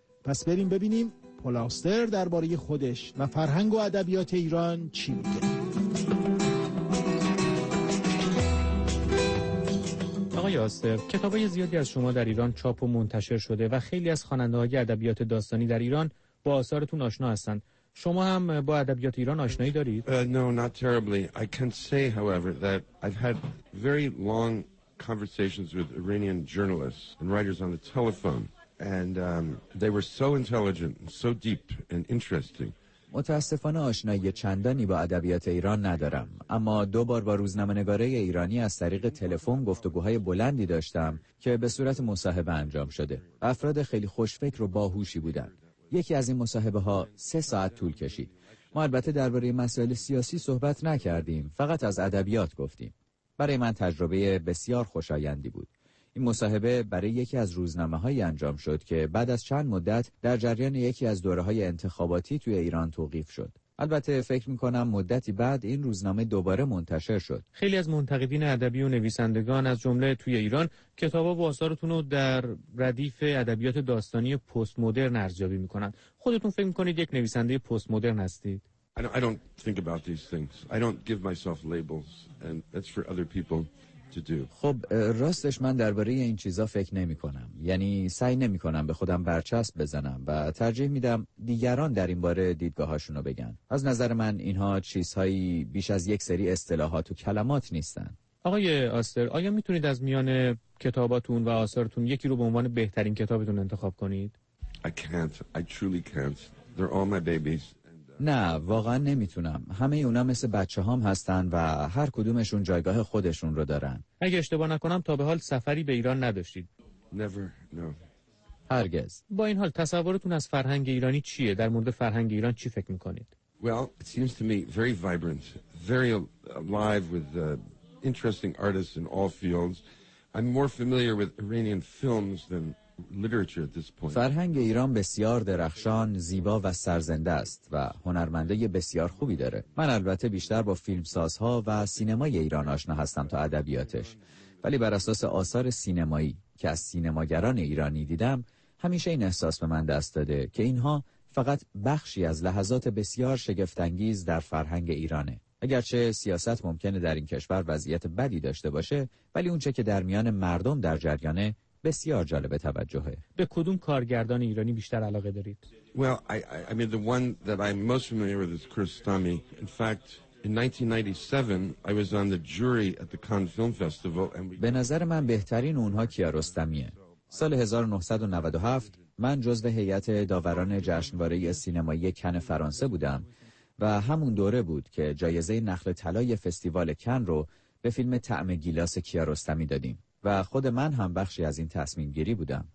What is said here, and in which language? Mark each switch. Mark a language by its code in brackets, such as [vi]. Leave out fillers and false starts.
[fa] پس بریم ببینیم پل آستر درباره خودش و فرهنگ و ادبیات ایران چی میگه. آقای آستر، کتابای زیادی از شما در ایران چاپ و منتشر شده و خیلی از خواننده‌های ادبیات داستانی در ایران با آثارتون آشنا هستند. شما هم با ادبیات ایران آشنایی دارید؟ [en] No, not terribly. I can say, however, that I've had very long conversations with Iranian journalists and writers on the telephone, and they were so intelligent, so deep and interesting. [fa] متاسفانه آشنایی چندانی با ادبیات ایران ندارم، اما دو بار با روزنامه‌نگارای ایرانی از طریق تلفن گفتگوهای بلندی داشتم که به صورت مصاحبه انجام شده. افراد خیلی خوشفکر و باهوشی بودند. یکی از این مصاحبه ها 3 ساعت طول کشید. ما البته درباره مسائل سیاسی صحبت نکردیم، فقط از ادبیات گفتیم. برای من تجربه بسیار خوشایندی بود. این مصاحبه برای یکی از روزنامه‌های انجام شد که بعد از چند مدت در جریان یکی از دوره‌های انتخاباتی توی ایران توقیف شد. البته فکر می‌کنم مدتی بعد این روزنامه دوباره منتشر شد. خیلی از منتقدین ادبی و نویسندگان از جمله توی ایران کتابا و آثارتون رو در ردیف ادبیات داستانی پست مدرن ارزیابی می‌کنن. خودتون فکر می‌کنید یک نویسنده پست مدرن هستید؟ [en] I don't think about these things. I don't give myself labels and that's for other people. [fa] خب راستش من درباره این چیزا فکر نمی کنم، یعنی سعی نمی کنم به خودم برچسب بزنم و ترجیح می دم دیگران در این باره دیدگاهاشونو بگن. از نظر من اینها چیزهایی بیش از یک سری اصطلاحات و کلمات نیستن. آقای آستر، آیا می تونید از میان کتاباتون و آثارتون یکی رو به عنوان بهترین کتابتون انتخاب کنید؟ [en] I truly can't. They're all my babies. [fa] نه واقعا نمیتونم. همه اونا مثل بچه هام هستن و هر کدومشون جایگاه خودشون رو دارن. اگه اشتباه نکنم تا به حال سفری به ایران نداشتید؟ [en] Never, no. [fa] هرگز. با این حال تصورتون از فرهنگ ایرانی چیه؟ در مورد فرهنگ ایران چی فکر میکنید؟ [en] Well, it seems to me very vibrant, very alive with interesting artists in all fields. I'm more familiar with Iranian films than literature at this point. [fa] فرهنگ ایران بسیار درخشان، زیبا و سرزنده است و هنرمندای بسیار خوبی داره. من البته بیشتر با فیلمسازها و سینمای ایران آشنا هستم تا ادبیاتش. ولی بر اساس آثار سینمایی که از سینماگران ایرانی دیدم، همیشه این احساس به من دست داده که اینها فقط بخشی از لحظات بسیار شگفت‌انگیز در فرهنگ ایرانه. اگرچه سیاست ممکنه در این کشور وضعیت بدی داشته باشه، ولی اونچه که در میان مردم در جریانه بسیار جالب توجهه. به کدوم کارگردان ایرانی بیشتر علاقه دارید؟ [en] Well, I mean the one that I'm most familiar with is Kiarostami. In fact, in 1997 I was on the jury at the Cannes Film Festival and [fa] به نظر من بهترین اونها کیارستمیه. سال 1997 من جزو هیئت داوران جشنواره سینمایی کن فرانسه بودم و همون دوره بود که جایزه نخل طلای فستیوال کن رو به فیلم طعم گیلاس کیارستمی دادیم و خود من هم بخشی از این تصمیم گیری بودم.